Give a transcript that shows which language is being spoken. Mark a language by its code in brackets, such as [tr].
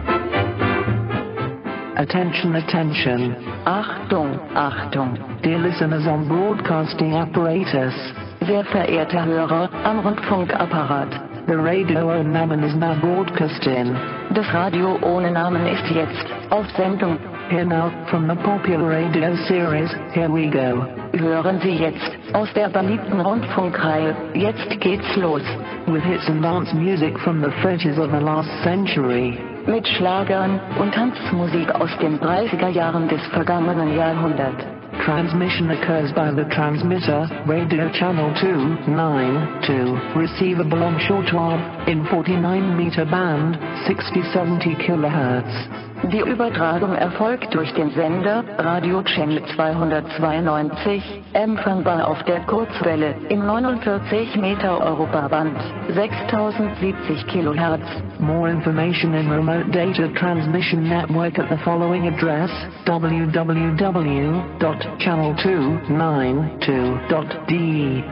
[en] Attention, attention. [de] Achtung, Achtung. [en] Dear listeners on broadcasting apparatus. [de] Sehr verehrter Hörer am Rundfunkapparat. [en] The radio ohne Namen is now broadcasting. [de] Das Radio ohne Namen ist jetzt auf Sendung. [en] Here now from the popular radio series. Here we go. [de] Hören Sie jetzt aus der beliebten Rundfunkreihe. Jetzt geht's los. [en] With hits and dance music from the 30s of the last century. [de] Mit Schlagern und Tanzmusik aus den 30er Jahren des vergangenen Jahrhunderts. [en] Transmission occurs by the transmitter, radio channel 292, receiver belong shortwave, in 49 meter band, 6070 kHz. [de] Die Übertragung erfolgt durch den Sender, Radio Channel 292, empfangbar auf der Kurzwelle, in 49 Meter Europaband, 6070 kHz. [en] More information in Remote Data Transmission Network at the following address, www.channel292.de.